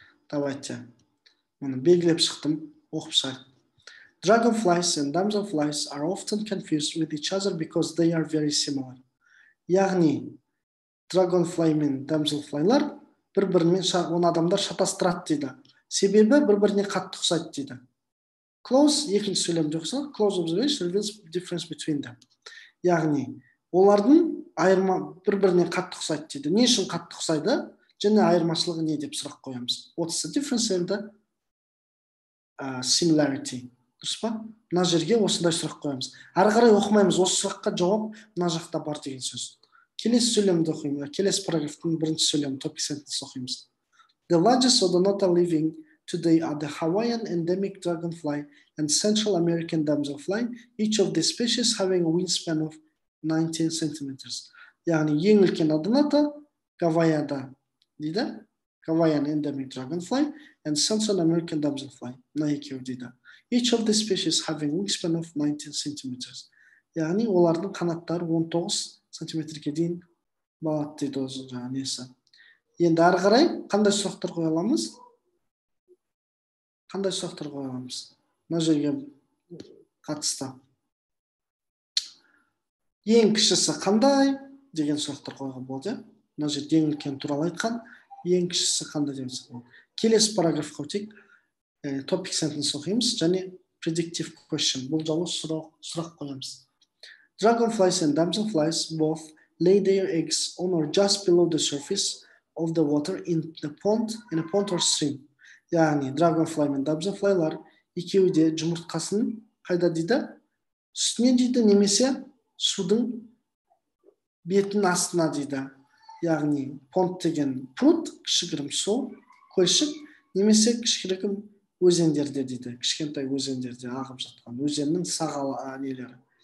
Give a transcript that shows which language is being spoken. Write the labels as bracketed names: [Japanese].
[Russian] Давайте. [Kazakh] Мен белгілеп шықтым, оқып шығайық. [English] Dragonflies and damselflies are often confused with each other because they are very similar. [Kazakh] Яғни, dragonfly мен damselflylar бір-бірімен он адамдар шатастырады дейді. Себебі бір-біріне қатты ұқсайды дейді. Close екінші сөйлемде ұқсайды. [English] Close observation reveals difference between them. [Kazakh] Яғни, олардың айырма бір-біріне қатты ұқсайды дейді. Не үшін қатты ұқсайды? Және айырмашылығы не деп сұрақ қоямыз. [English] What's the difference and the similarity? [Kazakh] Дұрыс па? Мына жерге осындай сұрақ қоямыз. Ары қарай оқымаймыз. Осы сұраққа жауап мына жақта бар деген сөз. Келесі сөйлемді оқимыз. Келесі параграфтың бірінші сөйлемі, topic sentence оқимыз. [English] The largest odonata living today are the Hawaiian endemic dragonfly and Central American damselfly, each of the species having a wingspan of 19 centimeters. [Kazakh] Яғни ең үлкен одоната Гавайяда дейді. [English] Hawaiian endemic dragonfly and Central American damselfly. [Kazakh] Мына екеуі дейді. [English] Each of the species having wingspan of 19 centimeters. [Kazakh] Яғни олардың қанаттары 19 сантиметрге дейін болады дейді осы несі. Енді ары қарай қандай сұрақтар қоя аламыз? Қандай сұрақтар қоя аламыз? Мына жерге қатысты. Ең кішісі қандай деген сұрақтар қойған болды. Мына жерде ең үлкен туралы айтқан. Ең кішісі қандай деген сұрақ. Келесі параграфқа өтейік. Topic sentence оқимыз және predictive question. Бұл жолы сұрақ қоямыз. [English] Dragonflies and damselflies both lay their eggs on or just below the surface of the water in the pond, in a pond or stream. [Kazakh] Яғни, dragonfly мен damselflylar екеуі де жұмыртқасын қайда дейді? Үстіне дейді немесе судың бетінің астына дейді. Яғни понт деген пруд, кішігірім су, көлшік, немесе кішігірім өзендерде дейді, кішкентай өзендерде ағып жатқан өзеннің сағалы нелері.